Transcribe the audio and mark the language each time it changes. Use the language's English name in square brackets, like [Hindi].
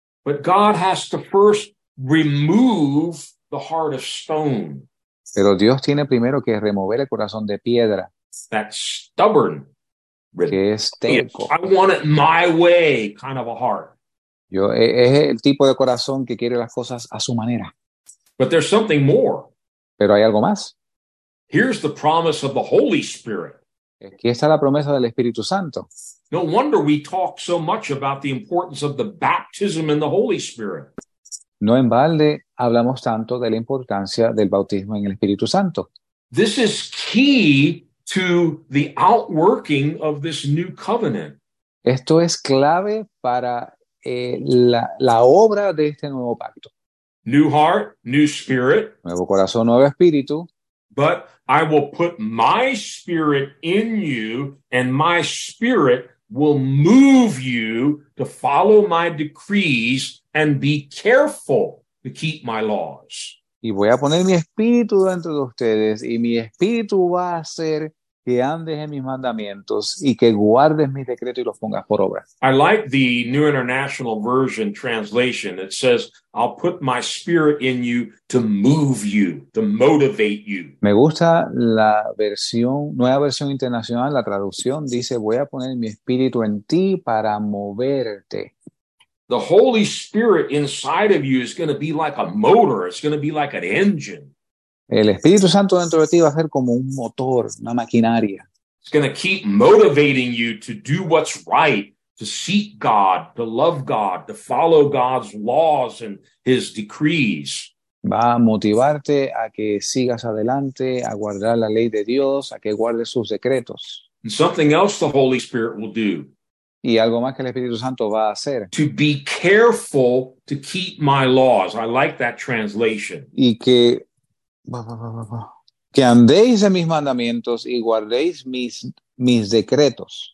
[English] But God has to first remove the heart of stone. [Spanish] Pero Dios tiene primero que remover el corazón de piedra. [English] That's stubborn. [Spanish] Que es terco. [English] I want it my way, kind of a heart. [Spanish] Yo, es el tipo de corazón que quiere las cosas a su manera. [English] But there's something more. [Spanish] Pero hay algo más. [English] Here's the promise of the Holy Spirit. [Spanish] Aquí está la promesa del Espíritu Santo. [English] No wonder we talk so much about the importance of the baptism in the Holy Spirit. [Spanish] No en balde hablamos tanto de la importancia del bautismo en el Espíritu Santo. [English] This is key to the outworking of this new covenant. [Spanish] Esto es clave para la obra de este nuevo pacto. [English] New heart, new spirit. [Spanish] Nuevo corazón, nuevo espíritu. [English] But I will put my spirit in you, and my spirit will move you to follow my decrees and be careful to keep my laws. [Spanish] Y voy a poner mi espíritu dentro de ustedes, y mi espíritu va a ser que andes en mis mandamientos y que guardes mis decretos y los pongas por obra. [English] I like the New International Version translation. It says, I'll put my spirit in you to move you, to motivate you. [Spanish] Me gusta la versión, nueva versión internacional, la traducción dice, voy a poner mi espíritu en ti para moverte. [English] The Holy Spirit inside of you is going to be like a motor. It's going to be like an engine. [Spanish] El Espíritu Santo dentro de ti va a ser como un motor, una maquinaria. [English] It's going to keep motivating you to do what's right, to seek God, to love God, to follow God's laws and his decrees. [Spanish] Va a motivarte a que sigas adelante, a guardar la ley de Dios, a que guardes sus decretos. [English] And something else the Holy Spirit will do. [Spanish] Y algo más que el Espíritu Santo va a hacer. [English] To be careful to keep my laws. I like that translation. [Spanish] Y que andéis en mis mandamientos y guardéis mis decretos.